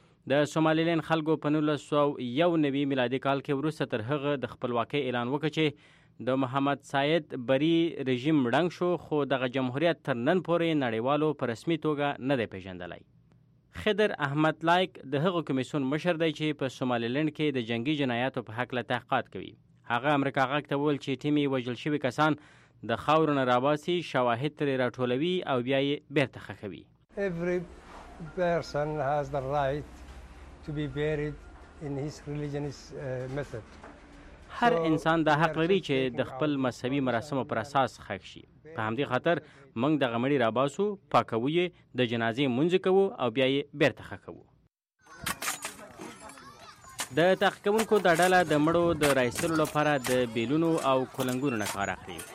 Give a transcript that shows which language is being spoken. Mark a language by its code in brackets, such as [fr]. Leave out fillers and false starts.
[ps] د سومالیلین خلکو په 1991 میلادي کال کې وروسته تر هغه د خپلواکۍ اعلان وکړ چې د محمد سعید بری رژیم ړنګ شو، خو دغه جمهوریت تر نن پورې نړیوالو په رسمي توګه نه دی پیژندلی. خضر احمد لایک د هغه کمیسون مشر دی چې په سومالیلند کې د جنگي جنایاتو په حق له تحقیقات کوي. هغه امریکا غږ ته وویل چې ټیمي وژل شوی کسان د خاورو نه راباسي، شواهد ترې راټولوي او بیا یې بیرته ښخوي. [en] Every person has the right to be buried in his religious method. [ps] هر انسان دا حق لري چې د خپل مذهبي مراسمو پر اساس ښخ شي. په همدې خاطر موږ د غمړی راباسو، پاکوې د جنازې منځ کوو او بیا یې بیرته ښخو. د تحقیقونکو د ډله د مړو د رایسلو لپاره د بیلونو او کولنګونو نه کار اخلي.